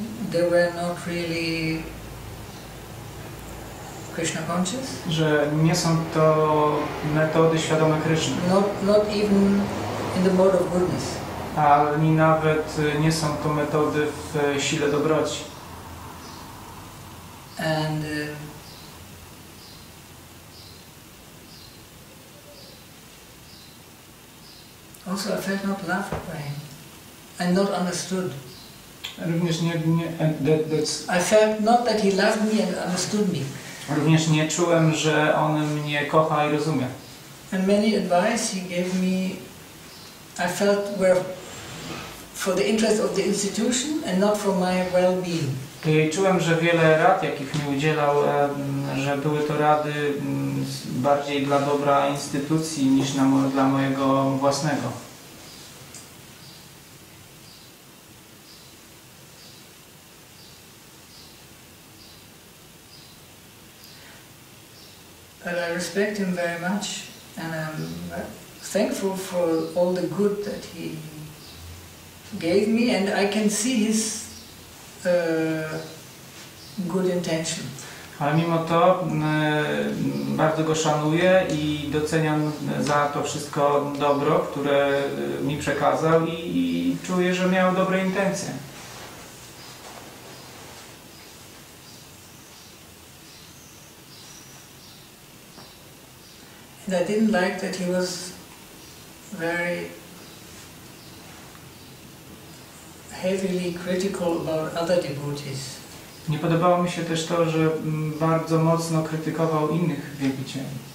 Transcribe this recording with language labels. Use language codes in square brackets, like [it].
[en] they were not really Krishna conscious, [pl] że nie są to metody świadome Krishna, [en] not even in the mode of goodness. [pl] Ani nawet nie są to metody w sile dobroci. [en] And also I felt not loved by him and not understood. [pl] Również nie [en] I felt not that he loved me and understood me. [pl] Również nie czułem, że on mnie kocha i rozumie. [en] And many advice he gave me I felt were for the interest of the institution and not for my well-being. [pl] I czułem, że wiele rad, jakich mi udzielał, że były to rady bardziej dla dobra instytucji niż dla mojego własnego. [en] But I respect him very much and I'm thankful for all the good that he gave me, and I can see his good intention. [pl] Ale mimo to bardzo go szanuję i doceniam za to wszystko dobro, które mi przekazał i czuję, że miał dobre intencje. [en] And I didn't like that he was very heavily critical about other devotees. [pl] Nie podobało mi się też to, że bardzo mocno krytykował innych wielbicieli.